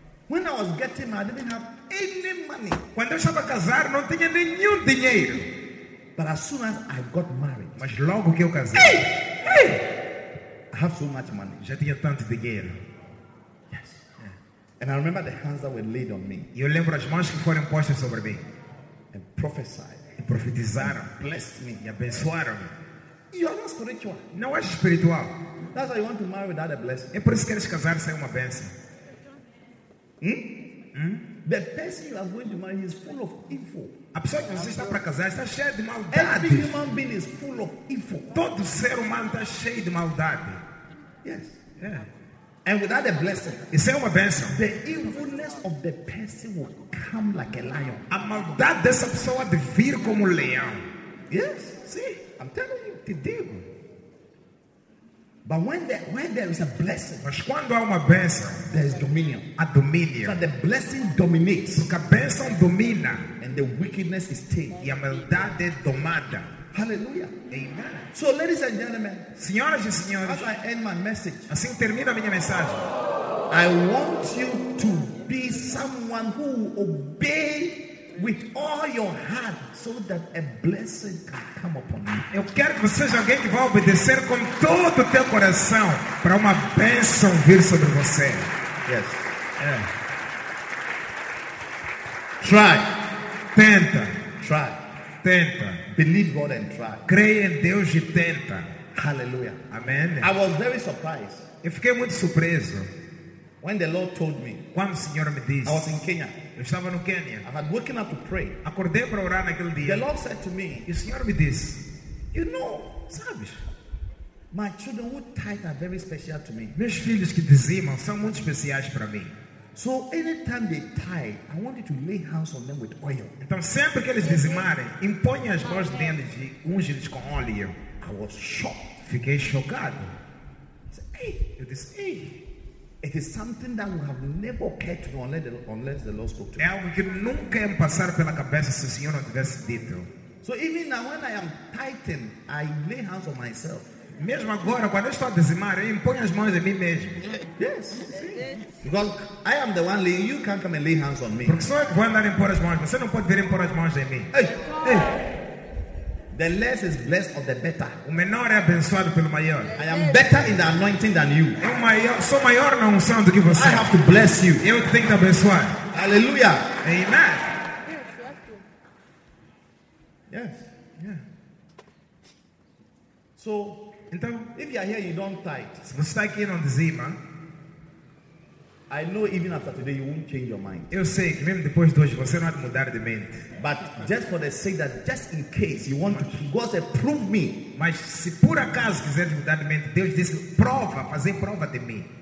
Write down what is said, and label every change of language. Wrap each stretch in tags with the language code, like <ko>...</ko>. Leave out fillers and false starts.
<en>When I was getting married, I didn't have any money.</en> <pt>Quando eu estava a casar, não tinha nenhum dinheiro.</pt> <en>But as soon as I got married,</en> <pt>mas logo que eu casei,</pt> <en>hey! I have so much money.</en> <pt>Já tinha tanto dinheiro.</pt> <en>And I remember the hands that were laid on me.</en> <pt>Eu lembro as mãos que foram postas sobre mim.</pt> <en>And prophesied.</en> <pt>E profetizaram.</pt> <en>Blessed me.</en> <pt>E abençoaram-me.</pt> <en>You are not spiritual.</en> <pt>Não é espiritual.</pt> <en>That's why you want to marry without a blessing.</en> <pt>É por isso que queres casar sem uma bênção.</pt> <en>The person you are going to marry is full of evil.</en> <pt>A pessoa que você está para casar está cheia de maldade.</pt> <en>Every human being is full of evil. Todo ser humano está cheio de maldade. Yes. Yeah. And without a blessing,</en> <pt>e sem uma bênção,</pt> <en>the evilness of the person will come like a lion.</en> <pt>A maldade dessa pessoa de vir como leão.</pt> <en>Yes, see, I'm telling you,</en> <pt>te digo.</pt> <en>But when there is a blessing,</en> <pt>mas quando há uma bênção,</pt> <en>there is dominion. A dominion. So the blessing dominates.</en> <pt>Porque a bênção domina.</pt> <en>And the wickedness is tamed.</en> <pt>E a maldade é domada.</pt> <en>Hallelujah. Amen. So, ladies and gentlemen,</en> <pt>senhoras e senhores,</pt> <en>as I end my message,</en> <pt>assim termino a minha mensagem,</pt> <en>I want you to be someone who obey with all your heart so that a blessing can come upon you.</en> <pt>Eu quero que você seja alguém que vá obedecer com todo o teu coração para uma bênção vir sobre você.</pt> <en>Yes. Yeah. Try.</en> <pt>Tenta.</pt> <en>Try.</en> <pt>Tenta.</pt> <en>Believe God and try.</en> <pt>Creia em Deus e tenta.</pt> <en>Hallelujah. Amen. I was very surprised.</en> <pt>Eu fiquei muito surpreso.</pt> <en>When the Lord told me.</en> <pt>Quando o Senhor me disse.</pt> <en>I was in Kenya.</en> <pt>Eu estava no Quênia.</pt> <en>I had woken up to pray.</en> <pt>Acordei para orar naquele dia.</pt> <en>The Lord said to me.</en> <pt>E o Senhor me disse.</pt> <en>You know.</en> <pt>Sabes.</pt> <en>My children who tithe are very special to me.</en> <pt>Meus filhos que dizimam são muito especiais para mim.</pt> <en>So anytime they tithe, I want you to lay hands on them with oil.</en> <pt>Então sempre que eles dizimarem, imponha as mãos deles e unge-lhes com óleo.</pt> <en>I was shocked.</en> <pt>Fiquei chocado. Eu disse, ei.</pt> <en>It is something that we have never cared to know unless the Lord spoke to</en> <pt>me. É algo que nunca ia passar pela cabeça se o Senhor não tivesse dito.</pt> <en>So even now when I am tithing, I lay hands on myself.</en> <pt>Mesmo agora, quando eu estou a dizimar, eu imponho as mãos em mim mesmo.</pt> <en>Yes. Because I am the one laying, you can't come and lay hands on me.</en> <pt>Porque só eu que vou andar em pôr as mãos, você não pode vir em pôr as mãos em mim.</pt> <en>Hey. Hey. The less is blessed of the better.</en> <pt>O menor é abençoado pelo maior.</pt> <en>I am better in the anointing than you.</en> <pt>Eu maior, sou maior na unção do que você.</pt> <en>I have to bless you.</en> <pt>Eu tenho que abençoar.</pt> <en>Hallelujah. Amen. Yes. Yeah. So,</en> <pt>então,</pt> <en>if you are here, you don't tithe.</en> <pt>Se você está aqui e não dizima,</pt> <en>I know even after today you won't change your mind.</en> <pt>Eu sei que mesmo depois de hoje você não vai mudar de mente.</pt> <en>But just for the sake that just in case you want to, God said, prove me.</en> <pt>Mas se por acaso quiser mudar de mente, Deus disse, prova, fazer prova de mim.</pt>